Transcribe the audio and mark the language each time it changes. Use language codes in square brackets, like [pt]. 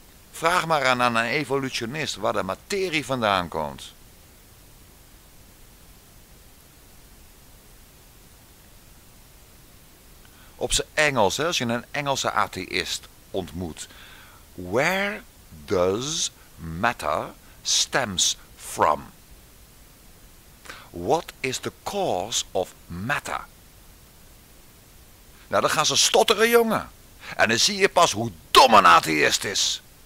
[nl] Vraag maar aan een evolutionist waar de materie vandaan komt. Op zijn Engels, als je een Engelse atheïst ontmoet. [en] Where does matter stems from? What is the cause of matter? [nl] Nou, dan gaan ze stotteren, jongen. En dan zie je pas hoe dom een atheïst is.